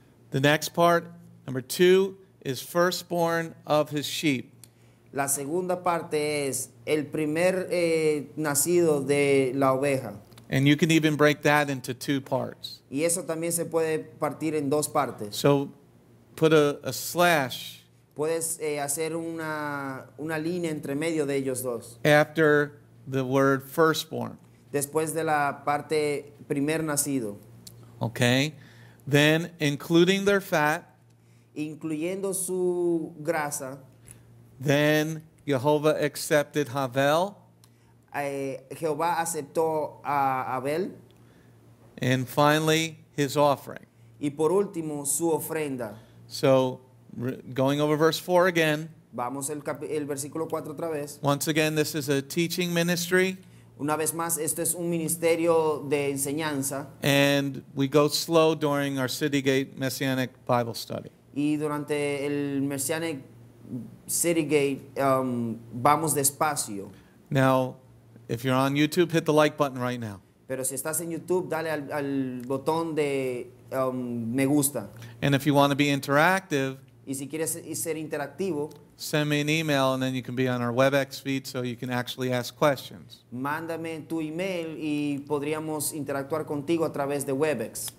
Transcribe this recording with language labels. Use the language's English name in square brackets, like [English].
[English] The next part, number 2, is firstborn of his sheep. [Spanish] La segunda parte es el primer nacido de la oveja. [English] And you can even break that into two parts. [Spanish] Y eso también se puede partir en dos partes. [English] So put a slash. [Spanish] Puedes hacer una línea entre medio de ellos dos. [English] After the word firstborn. [Spanish] Después de la parte primer nacido. [English] Okay. Then including their fat. [Spanish] Incluyendo su grasa. [English] Then Yehovah accepted Havel. [Spanish] Jehová aceptó a Abel. [English] And finally, his offering. [Spanish] Y por último, su ofrenda. [English] So, going over verse 4 again. [Spanish] Vamos el versículo 4 otra vez. [English] Once again, this is a teaching ministry. [Spanish] Una vez más, esto es un ministerio de enseñanza. [English] And we go slow during our City Gate Messianic Bible study. [Spanish] Y durante el Messianic City Gate, vamos despacio. [English] Now, if you're on YouTube, hit the like button right now. [Spanish] Pero si estás en YouTube, dale al botón de me gusta. [English] And if you want to be interactive, [Spanish] y si quieres ser interactivo, [English] send me an email and then you can be on our WebEx feed so you can actually ask questions. [Spanish] Mándame tu email y podríamos interactuar contigo a través de WebEx.